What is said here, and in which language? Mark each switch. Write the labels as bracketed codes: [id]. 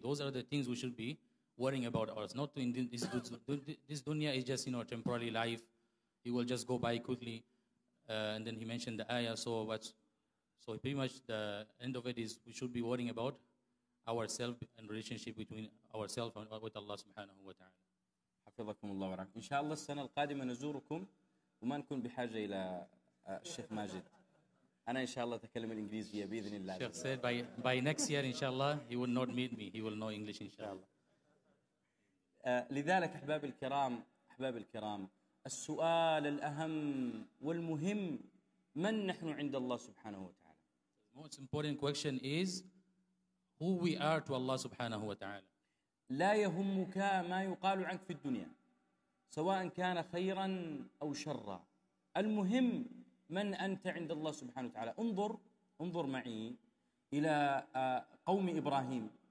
[en] Those are the things we should be worrying about. Us. Not in this dunya is just, you know, temporary life. It will just go by quickly. And then he mentioned the ayah. So pretty much the end of it is we should be worrying about ourselves and relationship between ourselves and with Allah subhanahu wa ta'ala. [ar] حفظكم الله ورعاكم. إن شاء الله السنة القادمة نزوركم وما نكون بحاجة إلى الشيخ ماجد. أنا إن شاء الله أتكلم الإنجليزية بإذن الله. [en] Sheikh said by next year إن شاء الله he will not meet me. He will know English إن شاء الله. [ar] لذلك أحباب الكرام. السؤال الأهم والمهم, من نحن عند الله سبحانه وتعالى؟ [en] The most important question is who we are to Allah سبحانه وتعالى. [ar] لا يهمك ما يقال عنك في الدنيا سواء كان خيرا أو شرا, المهم من أنت عند الله سبحانه وتعالى. انظر معي إلى قوم إبراهيم.